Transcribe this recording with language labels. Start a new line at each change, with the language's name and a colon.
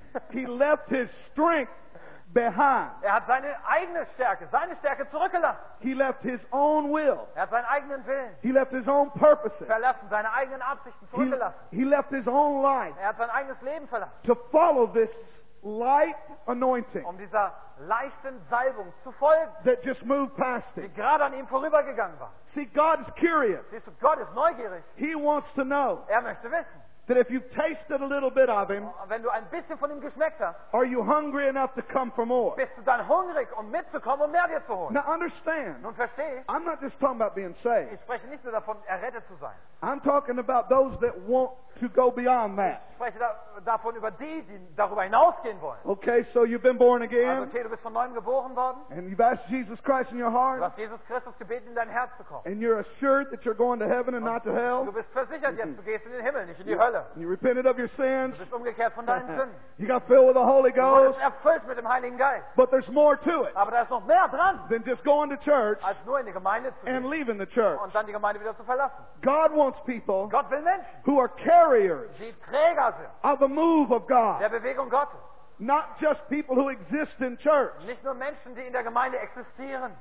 English: He left his strength behind.
German: Er hat seine eigene Stärke, zurückgelassen.
English: He left his own will.
German: Er hat seinen eigenen Willen.
English: He left his own purposes.
German: Verlassen, seine eigenen Absichten zurückgelassen.
English: He left his own life.
German: Er hat sein eigenes Leben verlassen.
English: To follow this light anointing.
German: Um dieser leichten Salbung zu folgen.
English: That just moved past him.
German: Die gerade an ihm vorübergegangen war.
English: See, God is curious.
German: Siehst du, Gott ist neugierig.
English: He wants to know.
German: Er möchte wissen.
English: That if you've tasted a little bit of him,
German: wenn du ein bisschen von ihm geschmeckt hast,
English: are you hungry enough to come for more?
German: Bist du dann hungrig, um mitzukommen und mehr dir zu holen?
English: Now understand.
German: Nun verstehe.
English: I'm not just talking about being saved.
German: Ich spreche nicht nur davon, errettet zu sein.
English: I'm talking about those that want to go beyond that.
German: Ich spreche davon über die, die darüber hinausgehen wollen.
English: Okay, so you've been born again.
German: Also okay, du bist von neuem geboren worden.
English: And you've asked Jesus Christ in your heart.
German: Du hast Jesus Christus gebeten, in dein Herz zu kommen.
English: And you're assured that you're going to heaven and not to hell.
German: Du bist versichert, jetzt du gehst in den Himmel, nicht in die Hölle.
English: You repented of your sins.
German: Du bist umgekehrt von deinen Sünden.
English: You got filled with the Holy Ghost.
German: Du bist erfüllt mit dem Heiligen Geist.
English: But there's more to it.
German: Aber da ist noch mehr dran.
English: Than just going to church.
German: Als nur in die Gemeinde zu gehen.
English: And leaving the church.
German: Und dann die Gemeinde wieder zu verlassen.
English: God wants people.
German: Gott will Menschen.
English: Who are carriers.
German: Die Träger sind.
English: Of the move of God.
German: Der Bewegung Gottes.
English: Not just people who exist in church.
German: Nicht nur Menschen, die in der Gemeinde existieren.